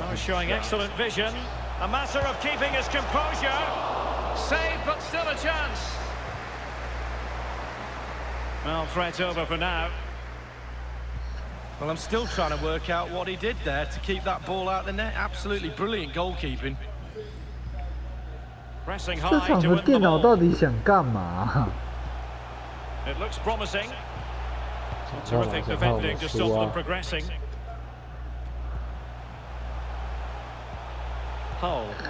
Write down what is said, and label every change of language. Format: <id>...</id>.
<en>Now showing excellent vision. A matter of keeping his composure. Save, but still a chance. Well, threat over for now. Well, I'm still trying to work out what he did there to keep that ball out the net. Absolutely brilliant goalkeeping. Pressing high.</en> <zh>这场的电脑到底想干嘛？</zh> <en>It looks promising. Terrific defending to stop them progressing. Hull.</en>